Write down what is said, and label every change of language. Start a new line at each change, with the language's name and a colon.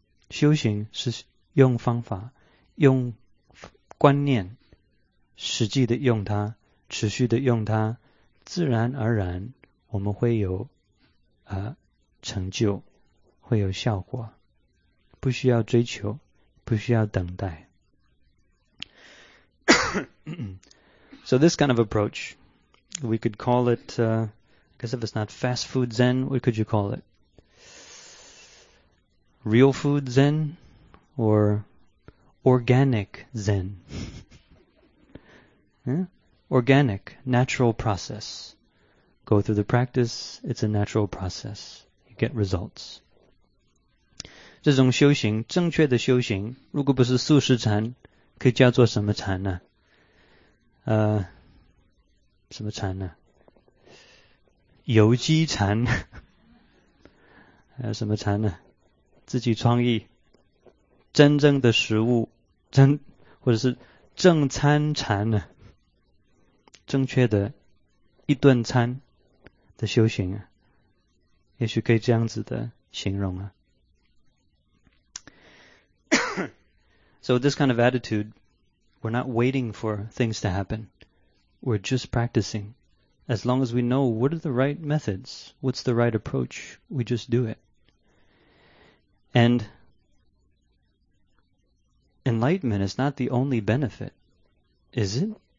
Chinese: 修行是用方法，用观念，实际的用它，持续的用它，自然而然我们会有成就，会有效果，不需要追求，不需要等待。
English: So this kind of approach, we could call it, because if it's not fast food Zen, what could you call it? Real food Zen or organic Zen? Organic, natural process. Go through the practice, it's a natural process. You get results.
Chinese: 这种修行，正确的修行，如果不是素食禅，可以叫做什么禅呢？什么禅呢？有机禅。还有什么禅呢？自己创意。真正的食物，或者是正餐禅呢？正确的一顿餐的修行啊，也许可以这样子的形容啊。
English: So this kind of attitude, we're not waiting for things to happen. We're just practicing. As long as we know what are the right methods, what's the right approach, we just do it. And enlightenment is not the only benefit, is it?